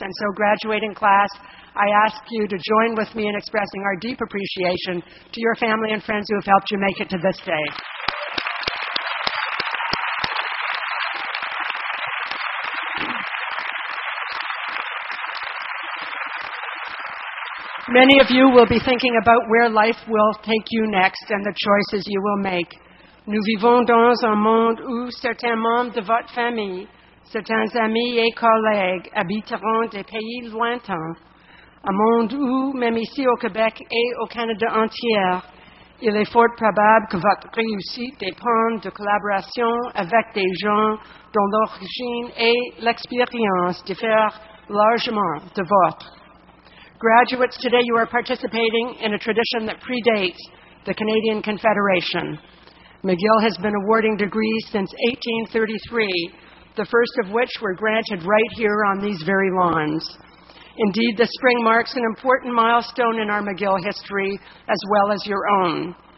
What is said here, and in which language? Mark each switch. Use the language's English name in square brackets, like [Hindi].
[English] And so, graduating class, I ask you to join with me in expressing our deep appreciation to your family and friends who have helped you make it to this day. Many of you will be thinking about where life will take you next and the choices you will make. [French] Nous vivons dans un monde où certains membres de votre famille, certains amis et collègues habiteront des pays lointains, un monde où, même ici au Québec et au Canada entier, il est fort probable que votre réussite dépende de collaboration avec des gens dont l'origine et l'expérience diffèrent largement de votre. [English] Graduates, today you are participating in a tradition that predates the Canadian Confederation. McGill has been awarding degrees since 1833, the first of which were granted right here on these very lawns. Indeed, this spring marks an important milestone in our McGill history, as well as your own.